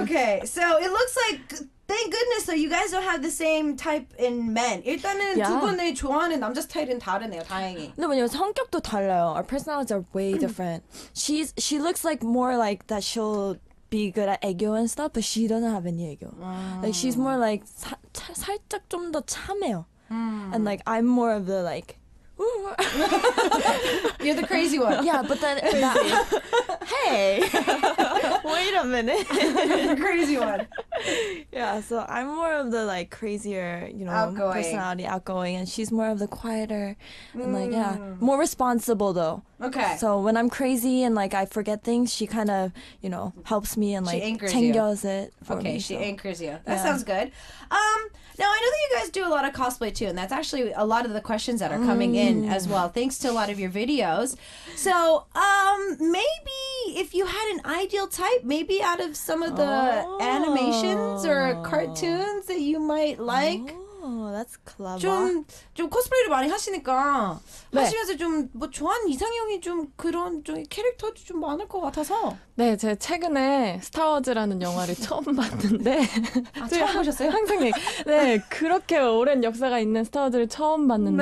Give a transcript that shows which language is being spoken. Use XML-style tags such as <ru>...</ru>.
<en>Okay, so it looks like, thank goodness, though, you guys don't have the same type in men.</en> <ko>일단은 두 분의 좋아하는 남자 스타일은 다르네요. 다행히. 근데 왜냐면 성격도 달라요.</ko> <en>Our personalities are way different. She looks like more like that she'll be good at 애교 and stuff, but she doesn't have any 애교. Like she's more like</en> <ko>살짝 좀 더 참해요.</ko> <en>And like I'm more of the like. You're the crazy one. Yeah, but then that, hey, wait a minute, crazy one. Yeah, so I'm more of the like crazier, you know, outgoing. Personality, outgoing, and she's more of the quieter. And like yeah, more responsible though. Okay. So when I'm crazy and like I forget things, she kind of, you know, helps me and like 챙겨줘 it for okay, me. Okay, she anchors you. That sounds good. Now I know that you guys do a lot of cosplay too, and that's actually a lot of the questions that are coming in as well, thanks to a lot of your videos. So maybe if you had an ideal type, maybe out of some of the animations or cartoons that you might like. That's clever.</en> <ko>좀 코스프레를 많이 하시니까 네. 하시면서 좀 뭐 좋아하는 이상형이 좀 그런 좀 캐릭터도 좀 많을 것 같아서. 네, 제가 최근에 스타워즈라는 영화를 처음 봤는데. 아, 처음 보셨어요? 항상 네, 그렇게 오랜 역사가 있는 스타워즈를 처음 봤는데</ko>